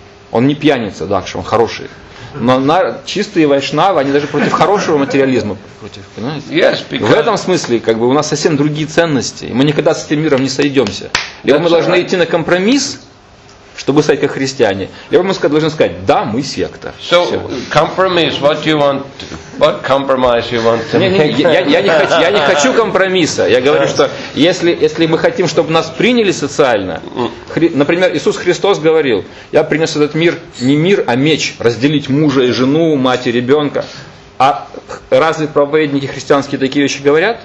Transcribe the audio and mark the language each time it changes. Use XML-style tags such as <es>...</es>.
<ru>Он не пьяница, Дакша, он хороший. Но чистые вайшнавы, они даже против хорошего материализма, против, понимаете?</ru> <en>Yes,</en> <ru>в этом смысле, как бы, у нас совсем другие ценности, и мы никогда с этим миром не сойдемся. Либо мы должны идти на компромисс, чтобы стать как христиане, либо мы должны сказать, да, мы секта.</ru> <en>So, compromise, what do you want, what compromise you want to make?</en> <ru>Я не хочу компромисса, я говорю, что если мы хотим, чтобы нас приняли социально, например, Иисус Христос говорил, я принес этот мир не мир, а меч, разделить мужа и жену, мать и ребенка. А разве проповедники христианские такие вещи говорят?</ru>